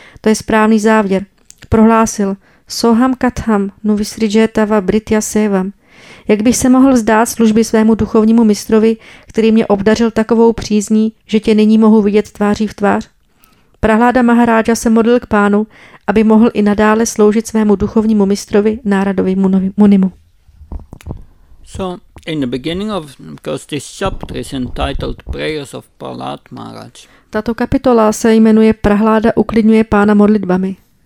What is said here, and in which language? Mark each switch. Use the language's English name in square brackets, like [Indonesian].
[Czech] To je správný závěr. Prohlásil [Sanskrit] Soham katham nu visrijetava britya sevam. [Czech] Jak bych se mohl vzdát služby svému duchovnímu mistrovi, který mě obdařil takovou přízní, že tě nyní mohu vidět tváří v tvář? Prahláda Maharaja se modlil k pánu, aby mohl i nadále sloužit svému duchovnímu mistrovi Náradovi Munimu. [English] So, in the beginning of, because this chapter is entitled Prayers of Prahlad Maharaj. [Czech] Tato kapitola se jmenuje Prahláda uklidňuje pána modlitbami.